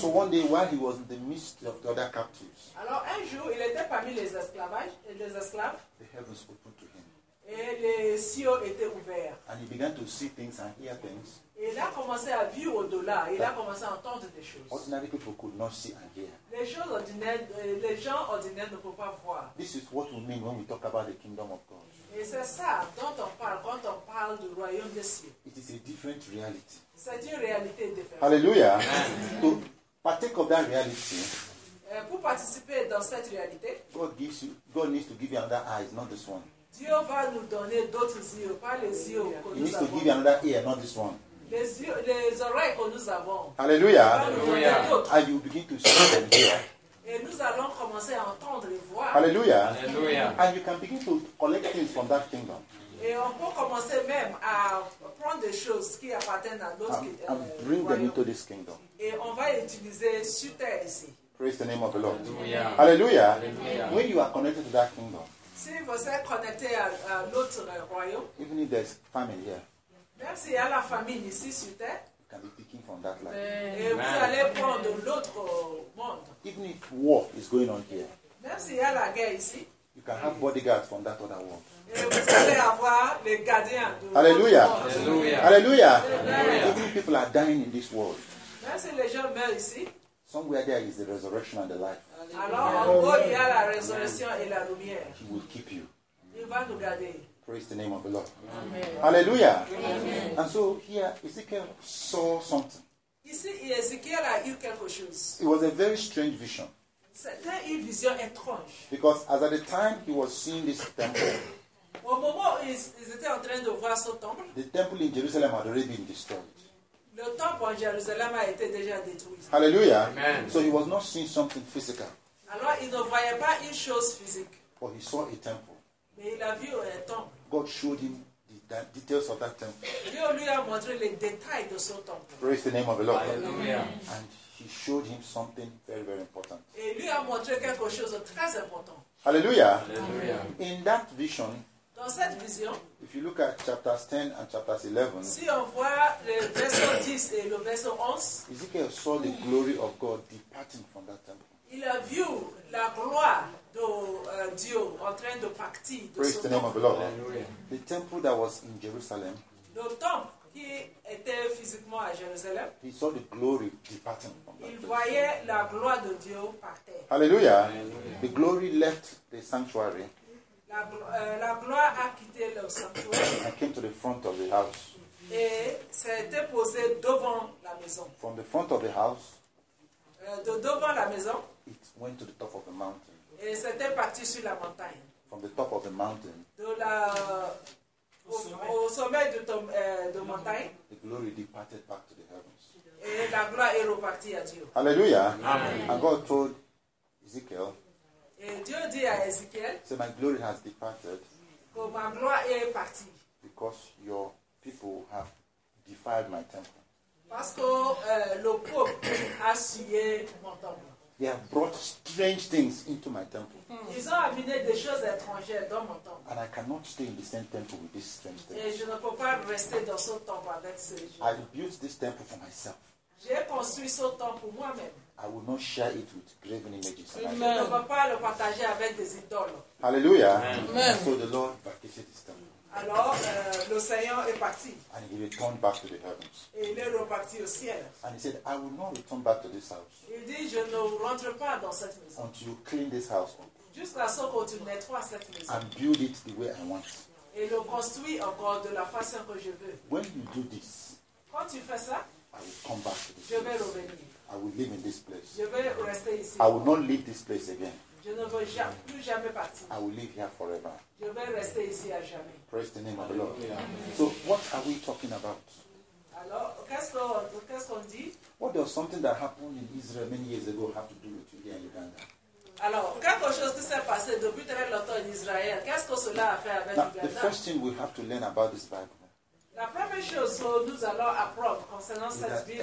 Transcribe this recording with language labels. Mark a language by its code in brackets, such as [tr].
[en] And so one day while he was in the midst of the other captives, [fr] alors un jour il était parmi les esclavages, les esclaves, [en] the heavens opened to him. [fr] Et les cieux étaient ouverts. [en] And he began to see things and hear things. [fr] Et il a commencé à vivre au-delà, il a commencé à entendre des choses. [en] Ordinary people could not see and hear. [fr] Les gens ordinaires ne peuvent pas voir. [en] This is what we mean when we talk about the kingdom of God. [fr] Et c'est ça dont on parle quand on parle du royaume des cieux. [en] It is a different reality. [fr] C'est une réalité différente. [en] Hallelujah. To partake of that reality, [fr] pour participer dans cette réalité, [en] God gives you, God needs to give you another eyes, not this one. [fr] Dieu va nous donner d'autres yeux, pas les yeux que nous avons. [en] He needs to give you another ear, not this one. [fr] Les oreilles que nous avons. Hallelujah. Hallelujah. [en] And you begin to see them here. [fr] Et nous allons commencer à entendre les voix. Hallelujah. Hallelujah. [en] And you can begin to collect things from that kingdom. [fr] Et on peut commencer même à prendre des choses qui appartiennent à notre [en] kingdom. And bring them into this kingdom. [fr] Et on va utiliser sur terre ici. [en] Praise the name of the Lord. Hallelujah. Hallelujah. Hallelujah. When you are connected to that kingdom, [fr] si vous êtes connecté à notre royaume, [en] even if there's famine here, [fr] même s'il y a la famine ici sur terre, [en] can be picking from that land. [fr] Et vous allez prendre l'autre monde. [en] Even if war is going on here, [fr] même s'il y a la guerre ici, [en] you can have bodyguards from that other world. [fr] Et vous allez avoir les gardiens de Hallelujah. Monde. Hallelujah. Hallelujah. [en] Even if people are dying in this world, [fr] même si les gens meurent ici, [en] somewhere there is the resurrection and the life. [fr] Alors, en gros, il y a la résurrection et la lumière. [en] He will keep you. [fr] Il va nous garder. [en] Praise the name of the Lord. Amen. Hallelujah. Amen. And so here, Ezekiel saw something. [fr] Ici, Ezekiel a eu quelque chose. [en] It was a very strange vision. [fr] C'était une vision étrange. [en] Because as at the time he was seeing this temple, [fr] au moment où ils étaient en train de voir ce temple, the temple in Jerusalem had already been destroyed. Le temple en Jérusalem a été déjà détruit. Hallelujah. Amen. [en] So he was not seeing something physical. [fr] Alors, il ne voyait pas une chose physique. [en] But he saw a temple. [fr] Mais il a vu un temple. [en] God showed him the details of that temple. [fr] Dieu lui a montré les détails de son temple. [en] Praise the name of the Lord. Hallelujah. And he showed him something very, very important. [fr] Et lui a montré quelque chose de très important. Hallelujah. Hallelujah. [en] In that vision, [fr] dans cette vision, [en] if you look at chapters 10 and chapters 11, [fr] si on voit le verset 10 et le verset 11, [en] Ezekiel saw the glory of God departing from that temple. [fr] Il a vu la gloire de Dieu en train de partir de [en] Praise the name of the Lord. The temple that was in Jerusalem, [fr] D'autant qu'il était physiquement à Jérusalem. [en] He saw the glory departing from [fr] il voyait la gloire de Dieu partir. [en] Hallelujah. The glory left the sanctuary. [fr] La gloire a quitté le sanctuaire. [en] I came to the front of the house. [fr] Et ça a été posé devant la maison. [en] From the front of the house. [fr] De devant la maison. [en] It went to the top of the mountain. [fr] Et c'était parti sur la montagne. [en] From the top of the mountain. [fr] De la au sommet de montagne. [en] The glory departed back to the heavens. [fr] Et la gloire est repartie à Dieu. Hallelujah. Amen. [en] And God told Ezekiel. [fr] Et Dieu dit à Ezekiel. [en] So my glory has departed. [fr] Que ma gloire est partie. [en] Because your people have defiled my temple. [fr] Parce que le peuple a souillé mon temple. [en] They have brought strange things into my temple. [fr] Ils ont amené des choses étrangères dans mon temple. [en] And I cannot stay in the same temple with these strange things. [fr] Et je ne peux pas rester dans ce temple avec ces gens. [en] I have built this temple for myself. [fr] J'ai construit ce temple moi-même. [en] I will not share it with graven images. [fr] Je ne peux pas le partager avec des idoles. Hallelujah. Amen. [en] So the Lord vacated this temple. [fr] Alors, le Seigneur est parti. [en] And he returned back to the heavens. [fr] Et il est reparti au ciel. [en] And he said, I will not return back to this house. [fr] Il dit, je ne rentre pas dans cette maison. [en] Until you clean this house. [fr] Jusqu'à ce que tu nettoies cette maison. [en] And build it the way I want. [fr] Et le construis encore de la façon que je veux. [en] When you do this. [fr] Quand tu fais ça. [en] I will come back to this [fr] place. Je vais revenir. [en] I will live in this place. [fr] Je vais rester ici. [en] I will not leave this place again. [fr] Je ne veux plus jamais partir. [en] I will live here forever. [fr] Je vais rester ici à jamais. [en] Praise the name of the Lord. So, what are we talking about? [fr] Alors, qu'est-ce qu'on dit? [en] What does something that happened in Israel many years ago have to do with you here in Uganda? [fr] Alors, quelque chose qui s'est passé depuis très longtemps en Israël, qu'est-ce que cela a fait avec Uganda? [en] The first thing we have to learn about this Bible. [fr] La première chose que nous allons apprendre concernant cette Bible.